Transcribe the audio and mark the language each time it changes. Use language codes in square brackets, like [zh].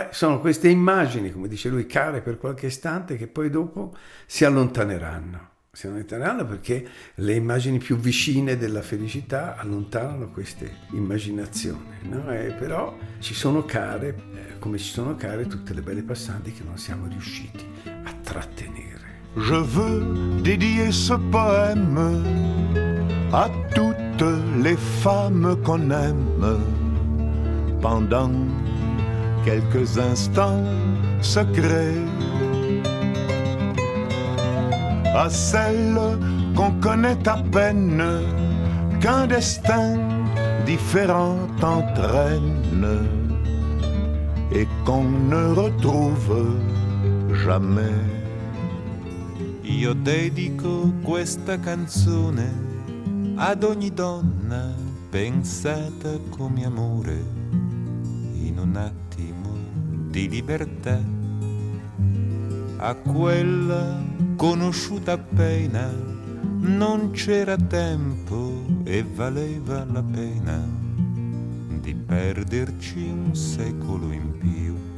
[it] Sono queste immagini, come dice lui, care per qualche istante, che poi dopo si allontaneranno perché le immagini più vicine della felicità allontanano queste immaginazioni, no? Però ci sono care, come ci sono care tutte le belle passanti che non siamo riusciti a trattenere. [fr] Je veux dédier ce poème à toutes les femmes qu'on aime. Pendant quelques instants secrets, à celles qu'on connaît à peine, qu'un destin différent entraîne et qu'on ne retrouve jamais. [it] Io dedico questa canzone ad ogni donna pensata come amore, in un attimo di libertà, a quella conosciuta appena, non c'era tempo e valeva la pena di perderci un secolo in più,